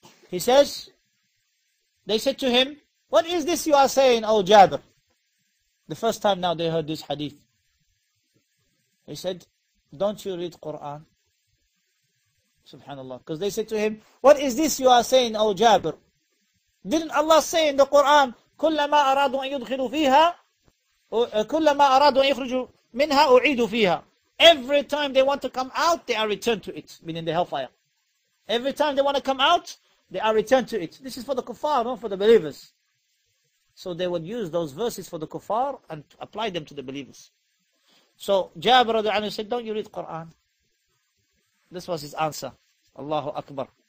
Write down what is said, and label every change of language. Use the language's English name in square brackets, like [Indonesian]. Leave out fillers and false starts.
[English] He says, they said to him, what is this you are saying, O Jabir? The first time now they heard this hadith. He said, don't you read Quran? Subhanallah. Because they said to him, what is this you are saying, O Jabir? [Arabic] Didn't Allah say in the Quran, كُلَّمَا أَرَادُوا أَن يُدْخِلُوا فِيهَا كُلَّمَا أَرَادُوا أَن يُخْرِجُوا مِنْهَا أُعِيدُوا فِيهَا. [English] Every time they want to come out, they are returned to it, meaning the hellfire. Every time they want to come out, they are returned to it. This is for the kuffar, not for the believers. So they would use those verses for the kuffar and apply them to the believers. So Jabir radiallahu anhu said, don't you read Quran? This was his answer. Allahu Akbar.